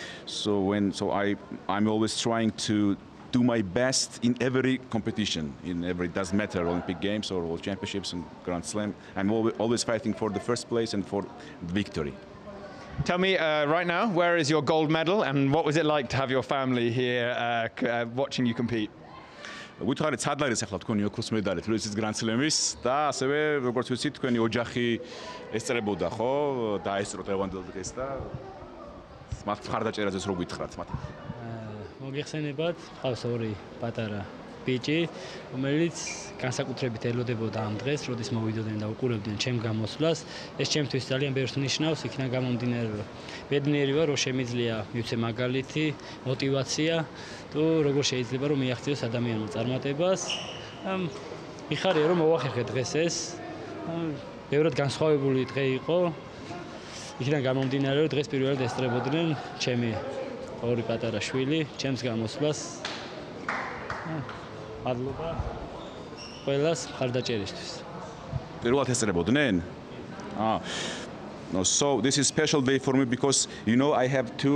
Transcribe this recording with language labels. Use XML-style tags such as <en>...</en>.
<en>So when I'm always trying to do my best in every competition, in every, doesn't matter, Olympic Games or World Championships and Grand Slam, I'm always fighting for the first place and for victory. Tell me right now, where is your gold medal and what was it like to have your family here watching you compete?</en> <ka>გვითხარით სადლარის ახლა თქვენი ოქროს მედალით თბილისის Grand Slam-ის და ასევე როგორც ვიცით თქვენი ოჯახი ესწრებოდა ხო და ესწრო დღევანდელ დღეს და მათ მხარდაჭერაზეც რო გითხრათ მათ მოგიხსენებათ ყავს ორი პატარა ბიჭი რომელიც განსაკუთრებით ელოდებოდა ამ დღეს როდის მოვიდოდნენ და უყურებდნენ ჩემ გამოსვლას ეს ჩემთვის ძალიან ბევრს ნიშნავს იქიდან გამომდინარე რომ ბედნიერი ვარ რომ შემიძლია მივცე მაგალითი мотиваცია თუ როგორ შეიძლება რომ მიაღწიოს ადამიანურ წარმატებას მიხარია რომ მოვახერხე დღეს ეს ბევრად განსხვავებული დღე იყო იქიდან გამომდინარე რომ დღეს პირველად ესწრებოდნენ ჩემი ორი პატარა შვილი ჩემს გამოსვლას მადლობა ყველას მხარდაჭერისთვის პირველად ესწრებოდნენ</ka> <en>so this is special day for me because you know I have</en>